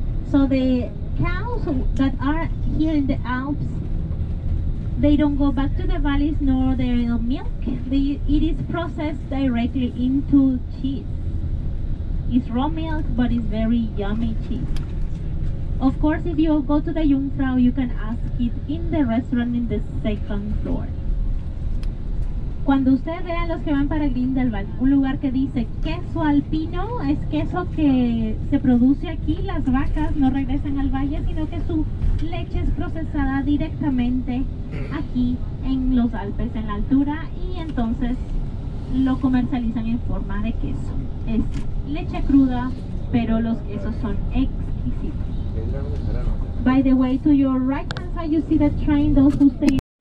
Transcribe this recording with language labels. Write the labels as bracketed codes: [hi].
[en] So the cows that are here in the Alps, they don't go back to the valleys nor their milk. It is processed directly into cheese. It's raw milk, but it's very yummy cheese. Of course, if you go to the Jungfrau, you can ask it in the restaurant in the second floor. [es] Cuando ustedes vean los que van para Grindelwald, un lugar que dice queso alpino, es queso que se produce aquí, las vacas no regresan al valle, sino que su leche es procesada directamente aquí en los Alpes, en la altura, y entonces lo comercializan en forma de queso. Es leche cruda, pero los quesos son exquisitos. [en] By the way, to your right hand side, you see the train, those who stay.